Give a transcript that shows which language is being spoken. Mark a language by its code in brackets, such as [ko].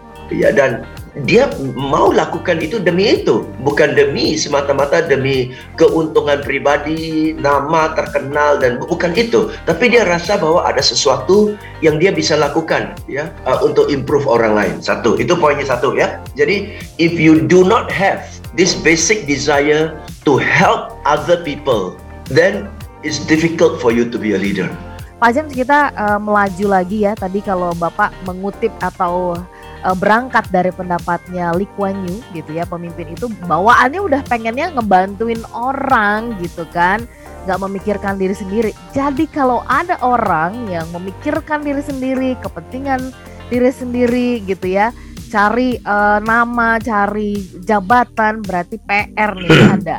[id] Ya, dan dia mau lakukan itu demi itu, bukan demi semata-mata demi keuntungan pribadi, nama terkenal dan bukan itu, tapi dia rasa bahwa ada sesuatu yang dia bisa lakukan ya untuk improve orang lain. Satu, itu poinnya satu ya. Jadi [en] if you do not have this basic desire to help other people, then it's difficult for you to be a leader. [id] Pak James, kita melaju lagi ya. Tadi kalau Bapak mengutip atau berangkat dari pendapatnya Lee Kuan Yew gitu ya, pemimpin itu bawaannya udah pengennya ngebantuin orang gitu kan, gak memikirkan diri sendiri. Jadi kalau ada orang yang memikirkan diri sendiri, kepentingan diri sendiri gitu ya, cari nama, cari jabatan, berarti PR nih.